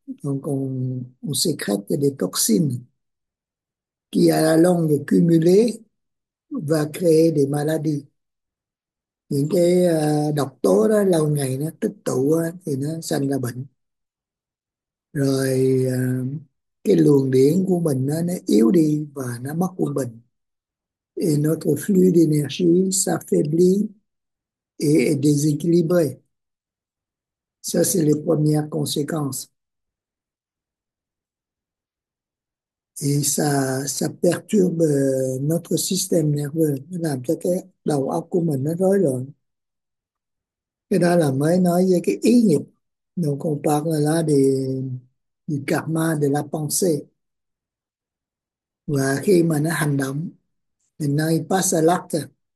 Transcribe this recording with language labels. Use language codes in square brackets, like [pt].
[fr] Donc on sécrète des toxines qui à la longue cumulée va créer des maladies. [vi] Những cái độc tố đó lâu ngày nó tích tụ đó, thì nó sanh ra bệnh. Rồi cái luồng điển của mình nó yếu đi và nó mất quân bình. [fr] Et notre flux d'énergie s'affaiblit et est déséquilibré. Ça, c'est les premières conséquences. Et ça perturbe notre système nerveux, [vi] nó làm cho cái đầu óc của mình nó rối loạn. Cái đó là mới nói về cái ý nghiệp. [fr] Donc on parle là du karma de la pensée. [vi] Và khi mà nó hành động, thì nó [fr] passe à l'acte.